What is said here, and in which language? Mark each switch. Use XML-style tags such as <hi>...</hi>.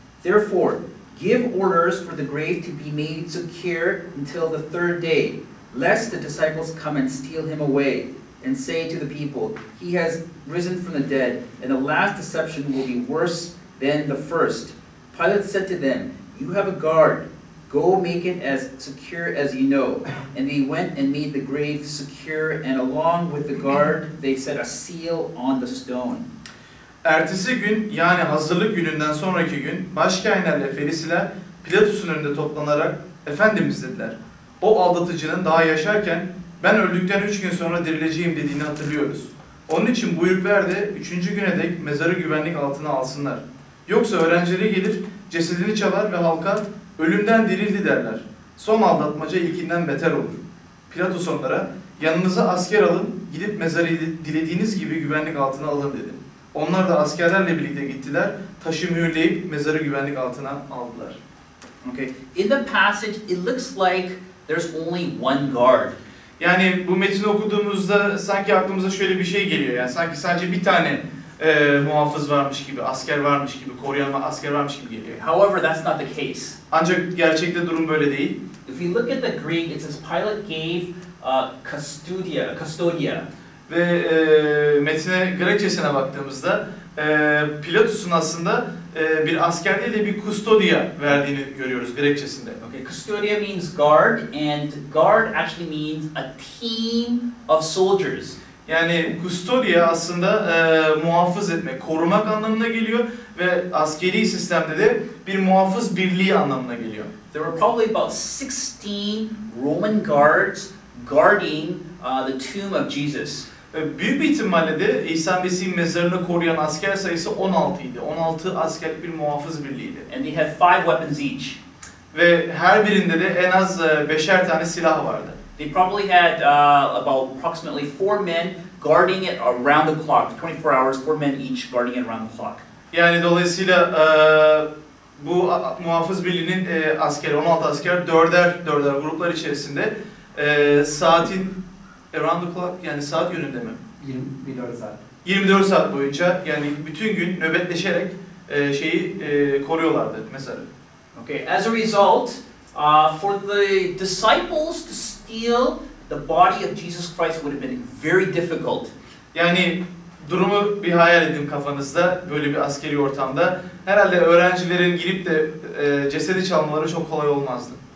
<en>Therefore, give orders for the grave to be made secure until the third day, lest the disciples come and steal him away and say to the people, 'He has risen from the dead,' and the last deception will be worse than the first." Pilate said to them, "You have a guard. Go make it as secure as you know." And they went and made the grave secure, and along with the guard, they set a seal on the stone.</en> <tr>Ertesi gün, yani hazırlık gününden sonraki gün, başkâhinlerle Ferisiler Pilatus'un önünde toplanarak, "Efendimiz," dediler, "o aldatıcının daha yaşarken, ben öldükten 3 gün sonra dirileceğim dediğini hatırlıyoruz. Onun için buyur ver de, 3. güne dek mezarı güvenlik altına alsınlar. Yoksa öğrencileri gelir, cesedini çalar ve halka, 'Ölümden dirildi,' derler. Son aldatmaca ilkinden beter olur." Pilatus onlara, "Yanınıza asker alın, gidip mezarı dilediğiniz gibi güvenlik altına alın," dedi. Onlar da askerlerle birlikte gittiler, taşı mühürleyip mezarı güvenlik altına aldılar.</tr> <en>Okay. In the passage, it looks like there's only one guard.</en> <tr>Yani bu metni okuduğumuzda sanki aklımıza şöyle bir şey geliyor. Yani sanki sadece bir tane muhafız varmış gibi, asker varmış gibi, koruyan asker varmış gibi geliyor.</tr> <en>However, that's not the case.</en> <tr>Ancak gerçekte durum böyle değil.</tr> <en>If you look at the Greek, it says Pilate gave custodia.</en> <tr>Ve metne Grekçesine baktığımızda Pilatus'un aslında bir asker değil de bir custodia verdiğini görüyoruz Grekçesinde.</tr> <en>Okay, custodia means guard, and guard actually means a team of soldiers.</en> <tr>Yani custodia aslında muhafız etmek, korumak anlamına geliyor ve askeri sistemde de bir muhafız birliği anlamına geliyor.</tr> <en>There were probably about 16 Roman guards guarding the tomb of Jesus.</en> <tr>Büyük bir ihtimalle de İsa Mesih'in mezarını koruyan asker sayısı 16 idi. 16 askerlik bir muhafız birliğiydi.</tr> <en>And they had 5 weapons each.</en> <tr>Ve her birinde de en az beşer tane silah vardı.</tr> <en>They probably had approximately four men guarding it around the clock, 24 hours, four men each guarding it around the clock.</en> <tr>Yani dolayısıyla bu muhafız birliğinin askeri, 16 asker, dörder gruplar içerisinde saatin</tr> <en>around the clock,</en> <tr>yani saat yönünde mi? 24 saat. 24 saat boyunca, yani bütün gün nöbetleşerek şeyi koruyorlardı mesela. Okay, as a result, for the disciples to steal the body of Jesus Christ would have been very difficult. Yani durumu bir hayal edin kafanızda, böyle bir askeri ortamda. Herhalde öğrencilerin girip de cesedi çalmaları çok kolay olmazdı.</tr>